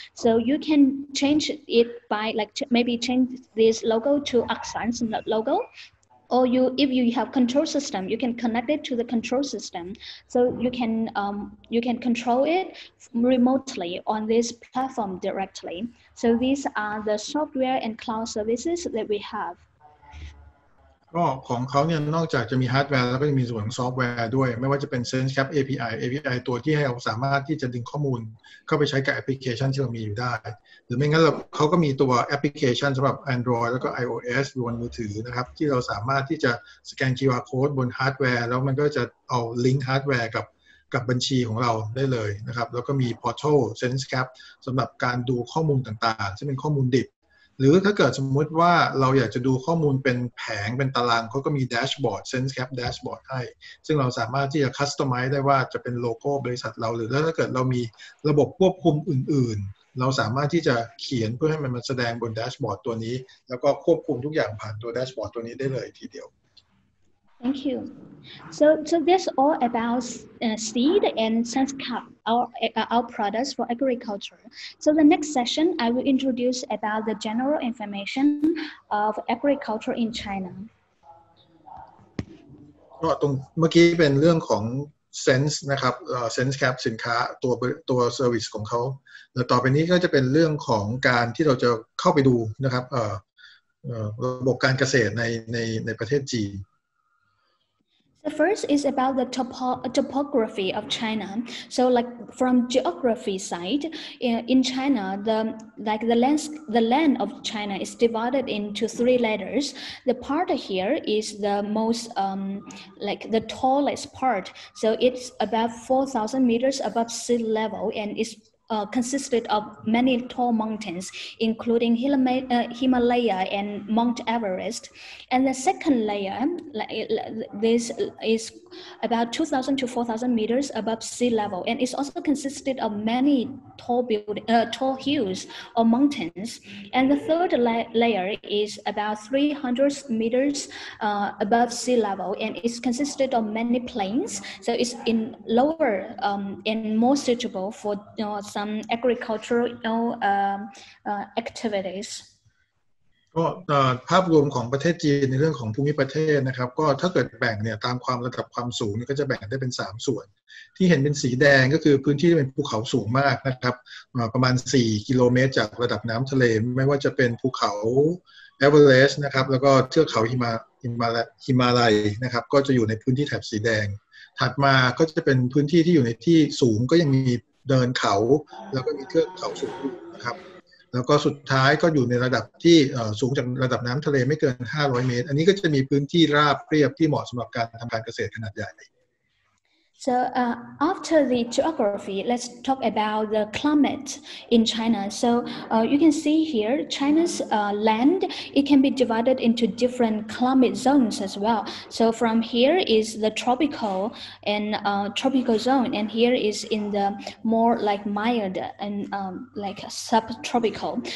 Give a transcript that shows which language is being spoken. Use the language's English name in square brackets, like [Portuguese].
[English] So you can change it by like maybe change this logo to Axan's logo, or if you have control system, you can connect it to the control system. So you can control it remotely on this platform directly. So these are the software and cloud services that we have. [Thai] ก็ของเขาเนี่ยนอกจากจะมีฮาร์ดแวร์แล้วก็ยังมีส่วนของซอฟต์แวร์ด้วยไม่ว่าจะเป็น SenseCap API ตัวที่ให้เราสามารถที่จะดึงข้อมูลเข้าไปใช้กับแอปพลิเคชันที่เรามีอยู่ได้หรือไม่งั้นเขาก็มีตัวแอปพลิเคชันสำหรับ Android แล้วก็ iOS บนมือถือนะครับที่เราสามารถที่จะสแกน QR Code บนฮาร์ดแวร์แล้วมันก็จะเอาลิงก์ฮาร์ดแวร์กับบัญชีของเราได้เลยนะครับแล้วก็มีพอร์ทัล SenseCap สำหรับการดูข้อมูลต่างๆซึ่งเป็นข้อมูลดิบหรือถ้าเกิดสมมุติว่าเราอยากจะดูข้อมูลเป็นแผงเป็นตารางเขาก็มีแดชบอร์ด SenseCap Dashboard ให้ซึ่งเราสามารถที่จะคัสตอมไมซ์ได้ว่าจะเป็นโลโก้บริษัทเราหรือถ้าเกิดเรามีระบบควบคุมอื่นๆเราสามารถที่จะเขียนเพื่อให้มันแสดงบนแดชบอร์ดตัวนี้แล้วก็ควบคุมทุกอย่างผ่านตัวแดชบอร์ดตัวนี้ได้เลยทีเดียว [English] Thank you. So that's all about Seed and SenseCap, our products for agriculture. So the next session, I will introduce about the general information of agriculture in China. [Thai] ก็ตรงเมื่อกี้เป็นเรื่องของ Sense นะครับ SenseCap สินค้าตัว service ของเขาแล้วต่อไปนี้ก็จะเป็นเรื่องของการที่เราจะเข้าไปดูนะครับระบบการเกษตรในประเทศจีน [English] The first is about the topography of China. So like from geography side, in China, the land of China is divided into three layers. The part here is the most, the tallest part. So it's about 4,000 meters above sea level, and it's consisted of many tall mountains, including Himalaya and Mount Everest. And the second layer, this is about 2,000 to 4,000 meters above sea level, and it's also consisted of many tall hills or mountains. And the third layer is about 300 meters above sea level, and it's consisted of many plains. So it's in lower and more suitable for some agricultural activities. [Thai] ก็ภาพรวมของประเทศจีนในเรื่องของภูมิประเทศนะครับก็ถ้าเกิดแบ่งเนี่ยตามความระดับความสูงก็จะแบ่งได้เป็น3ส่วนที่เห็นเป็นสีแดงก็คือพื้นที่ที่เป็นภูเขาสูงมากนะครับประมาณ4กิโลเมตรจากระดับน้ำทะเลไม่ว่าจะเป็นภูเขาเอเวอเรสต์นะครับแล้วก็เทือกเขาหิ มาลัยนะครับก็จะอยู่ในพื้นที่แถบสีแดงถัดมาก็จะเป็นพื้นที่ที่อยู่ในที่สูงก็ยังมีเดินเขาแล้วก็มีเทือกเขาสูงนะครับแล้วก็สุดท้ายก็อยู่ในระดับที่สูงจากระดับน้ำทะเลไม่เกิน500เมตรอันนี้ก็จะมีพื้นที่ราบเรียบที่เหมาะสำหรับการทำการเกษตรขนาดใหญ่ [English] So after the geography, let's talk about the climate in China. So you can see here China's land it can be divided into different climate zones as well. So from here is the tropical and tropical zone, and here is in the more like mild and like subtropical.